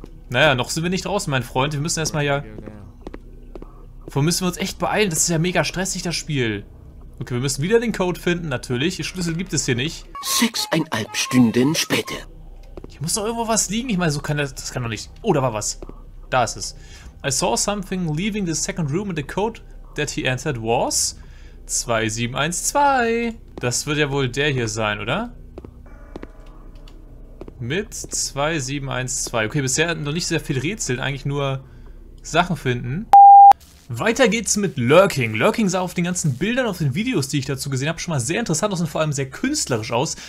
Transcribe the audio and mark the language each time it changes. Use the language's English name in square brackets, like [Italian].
[German] Naja, noch sind wir nicht draußen, mein Freund. Wir müssen erstmal ja. Wo müssen wir uns echt beeilen? Das ist ja mega stressig, das Spiel. Okay, wir müssen wieder den Code finden, natürlich. Die Schlüssel gibt es hier nicht. 6,5 Stunden später. Hier muss doch irgendwo was liegen. Ich meine, so kann das kann doch nicht. Oh, da war was. Da ist es. [English] I saw something leaving the second room and the code that he entered was 2712. [German] Das wird ja wohl der hier sein, oder? Mit 2712. Okay, bisher noch nicht sehr viel Rätseln, eigentlich nur Sachen finden. Weiter geht's mit Lurking. Lurking sah auf den ganzen Bildern, auf den Videos, die ich dazu gesehen habe, schon mal sehr interessant aus und vor allem sehr künstlerisch aus.